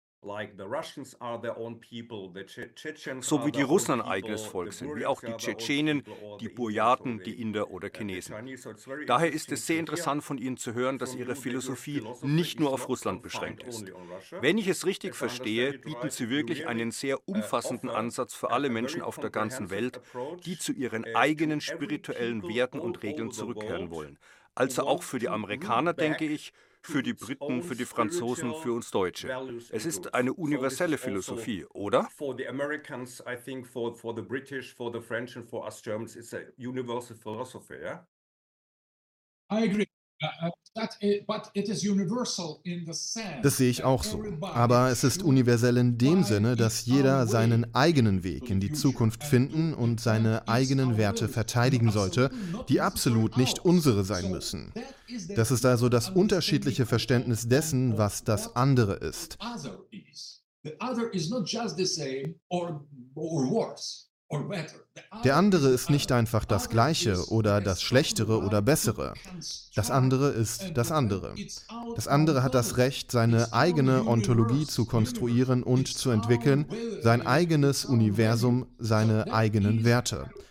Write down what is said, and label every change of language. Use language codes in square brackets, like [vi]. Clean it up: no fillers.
[en] Like the Russians are their own people, the Chechens. [de] So wie die Russen ein eigenes Volk sind, wie auch die Tschetschenen, die Burjaten, die Inder oder Chinesen. Daher ist es sehr interessant von Ihnen zu hören, dass Ihre Philosophie nicht nur auf Russland beschränkt ist. Wenn ich es richtig verstehe, bieten Sie wirklich einen sehr umfassenden Ansatz für alle Menschen auf der ganzen Welt, die zu ihren eigenen spirituellen Werten und Regeln zurückkehren wollen. Also auch für die Amerikaner, denke ich, für die Briten, für die Franzosen, für uns Deutsche. Es ist eine universelle Philosophie, oder? [en] For the Americans, I think, for the British, for the French and for us Germans, it's a universal philosophy, yeah? I agree. [de] Das sehe ich auch so. Aber es ist universell in dem Sinne, dass jeder seinen eigenen Weg in die Zukunft finden und seine eigenen Werte verteidigen sollte, die absolut nicht unsere sein müssen. Das ist also das unterschiedliche Verständnis dessen, was das andere ist. [en] The other is not just the same or worse [de] Der andere ist nicht einfach das Gleiche oder das Schlechtere oder Bessere. Das andere ist das andere. Das andere hat das Recht, seine eigene Ontologie zu konstruieren und zu entwickeln, sein eigenes Universum, seine eigenen Werte.